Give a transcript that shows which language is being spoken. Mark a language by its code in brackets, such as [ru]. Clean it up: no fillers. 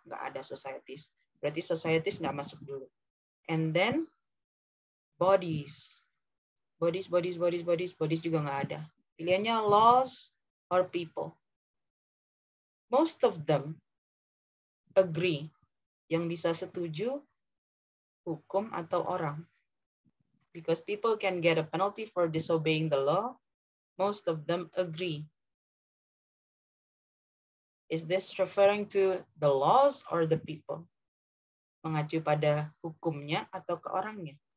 [id] Nggak ada societies. Berarti societies nggak masuk dulu. [en] And then bodies. [id] Bodies, bodies, bodies, bodies, bodies juga nggak ada. Pilihannya [en] laws or people. Most of them agree. [id] Yang bisa setuju hukum atau orang. [en] Because people can get a penalty for disobeying the law, most of them agree. Is this referring to the laws or the people? [id] Mengacu pada hukumnya atau ke orangnya?